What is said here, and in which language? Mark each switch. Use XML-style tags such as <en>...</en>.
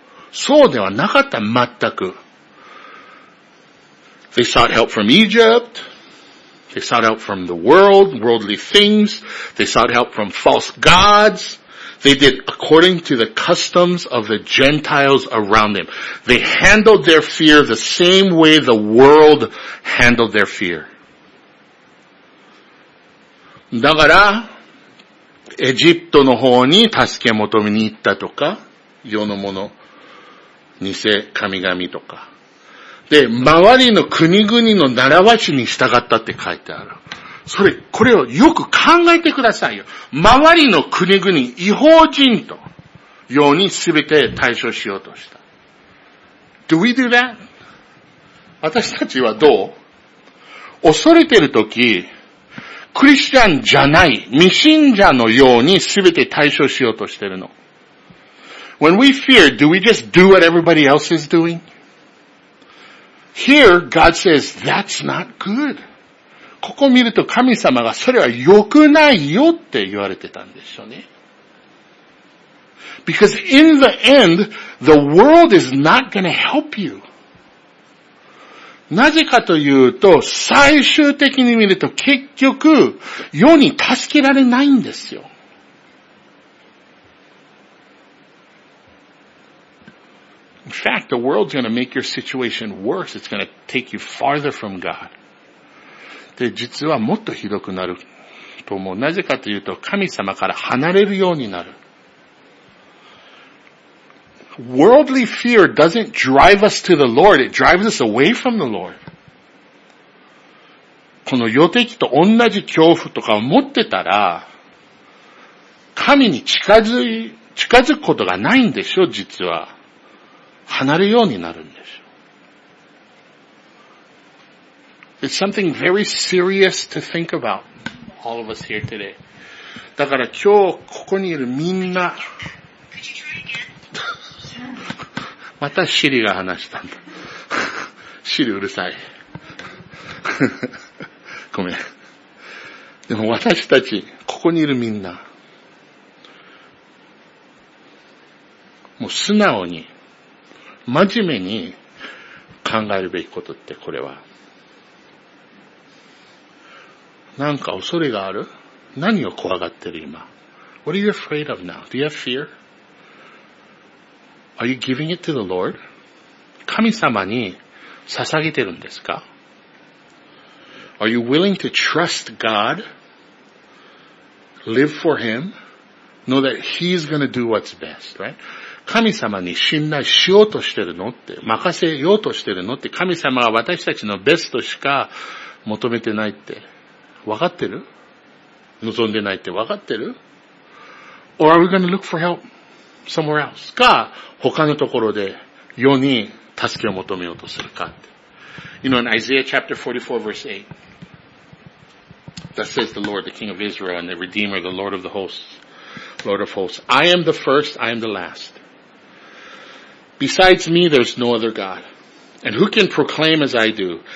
<ja>そうではなかった、全く。</ja> <en>They sought help from Egypt. They sought help from the world, worldly things. They sought help from false gods. They did according to the customs of the Gentiles around them. They handled their fear the same way the world handled their fear.</en> <ja>だから、エジプトの方に助け求めに行ったとか、世のもの、偽神々とか。で、周りの国々の習わしに従ったって書いてある。それ、これをよく考えてくださいよ。周りの国々、異邦人と、ようにすべて対処しようとした。</ja> <en>Do we do that?</en> <ja>私たちはどう？恐れてるとき、クリスチャンじゃない、未信者のようにすべて対処しようとしてるの。</ja> <en>When we fear, do we just do what everybody else is doing? Here, God says, that's not good.</en> <ja>ここを見ると神様がそれは良くないよって言われてたんですよね。</ja> <en>Because in the end, the world is not going to help you.</en> <ja>なぜかというと、最終的に見ると結局、世に助けられないんですよ。</ja> <en>In fact, the world's going to make your situation worse. It's going to take you farther from God.</en> <ja>で、実はもっとひどくなると思う。なぜかというと、神様から離れるようになる。</ja> <en>Worldly fear doesn't drive us to the Lord, it drives us away from the Lord.</en> <ja>この予定と同じ恐怖とかを持ってたら、神に近づくことがないんでしょ、実は。離れるようになるんでしょ。</ja> <en>It's something very serious to think about, all of us here today.</en> <ja>だから今日ここにいるみんな、またシリが話したんだ。シリうるさい。ごめん。でも私たち、ここにいるみんな、もう素直に、真面目に考えるべきことってこれは。なんか恐れがある？何を怖がってる今？</ja> <en>What are you afraid of now? Do you have fear? Are you giving it to the Lord?</en> <ja>神様に捧げてるんですか？</ja> <en>Are you willing to trust God? Live for Him? Know that He's going to do what's best, right?</en> <ja>神様に信頼しようとしてるのって、任せようとしてるのって、神様は私たちのベストしか求めてないって。わかってる？望んでないってわかってる？</ja> <en>Or are we going to look for help somewhere else?</en> <ja>か、他のところで世に助けを求めようとするかって。</ja> <en>You know, in Isaiah chapter 44 verse 8, that says the Lord, the King of Israel and the Redeemer, the Lord of the hosts, Lord of hosts, I am the first, I am the last. Besides me, there's no other God. And who can proclaim as I do?</en>